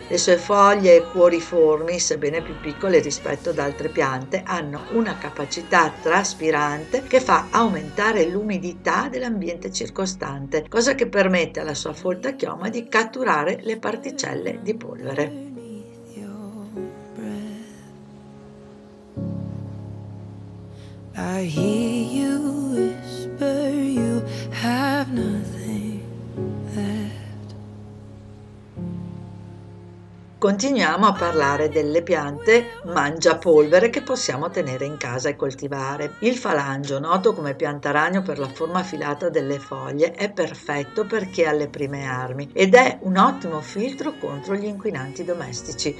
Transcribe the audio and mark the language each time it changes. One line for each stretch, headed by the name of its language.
Italian: Le sue foglie e cuoriformi, sebbene più piccole rispetto ad altre piante, hanno una capacità traspirante che fa aumentare l'umidità dell'ambiente circostante, cosa che permette alla sua folta chioma di catturare le particelle di polvere.
English: Beneath your breath, I hear you whisper, you have nothing left.
Italian: Continuiamo a parlare delle piante mangiapolvere che possiamo tenere in casa e coltivare. Il falangio, noto come piantaragno per la forma affilata delle foglie, è perfetto per chi ha le prime armi ed è un ottimo filtro contro gli inquinanti domestici.